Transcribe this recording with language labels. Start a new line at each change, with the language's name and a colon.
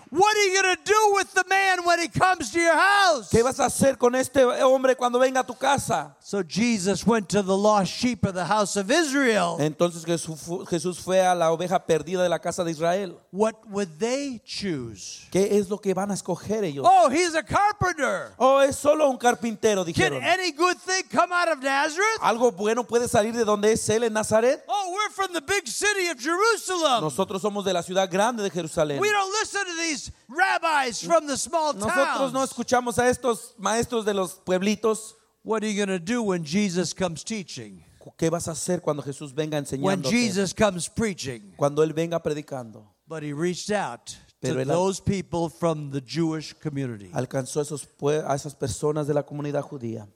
English: What are you going to do with the man when he comes to your house?
Spanish: ¿Qué vas a hacer con este hombre cuando venga a tu casa?
English: So Jesus went to the lost sheep of the house of Israel.
Spanish: Entonces Jesús fue a la oveja perdida de la casa de Israel.
English: What would they choose?
Spanish: ¿Qué es lo que van a escoger ellos?
English: Oh, he's a carpenter.
Spanish: Oh, es solo un carpintero, dijeron.
English: Can any good thing come out of Nazareth?
Spanish: ¿Algo bueno puede salir de donde es él en Nazaret?
English: Oh, we're from the big city of Jerusalem.
Spanish: Nosotros somos de la ciudad grande de Jerusalén.
English: We don't listen to these rabbis from the small towns.
Spanish: Nosotros no escuchamos a estos maestros de los pueblitos.
English: What are you going to do when Jesus comes teaching?
Spanish: ¿Qué vas a hacer cuando Jesús venga enseñándote?
English: When Jesus comes preaching.
Spanish: Cuando él venga predicando.
English: But he reached out to those people from the Jewish community.
Spanish: Alcanzó a esas personas de la comunidad judía.